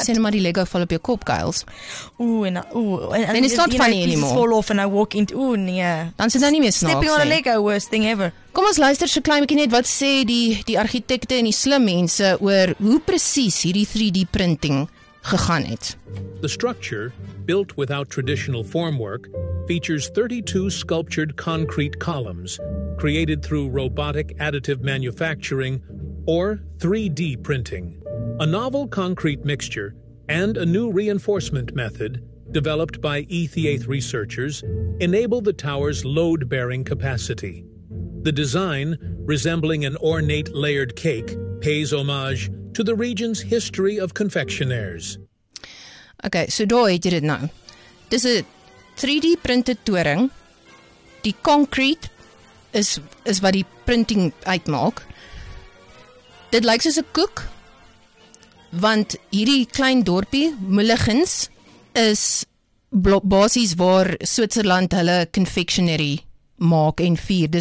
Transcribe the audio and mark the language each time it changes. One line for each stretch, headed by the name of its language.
Afrikaans: Sien maar die Lego val op jou kop, Kyles. Ooh, en
English: it's not funny anymore. Fall off and I walk into, ooh, nee.
Afrikaans: Dan sit dan nie meer snaaks.
English: Stepping on a Lego, worst thing ever.
Afrikaans: Kom ons luister so klein bietjie net wat sê die argitekte en die slim mense oor hoe presies hierdie 3D printing gegaan het.
English: The structure, built without traditional formwork, features 32 sculptured concrete columns created through robotic additive manufacturing or 3D printing. A novel concrete mixture and a new reinforcement method developed by ETH researchers enable the tower's load-bearing capacity. The design, resembling an ornate layered cake, pays homage to the region's history of confectioners.
Afrikaans: Okay, so daar het jy dit nou. Dis 'n 3D-printed toring. Die concrete is wat die printing uitmaak. Dit lyk soos 'n koek, want hierdie klein dorpie, Mulegens, is basies waar Switserland hulle confectionery maak en vier.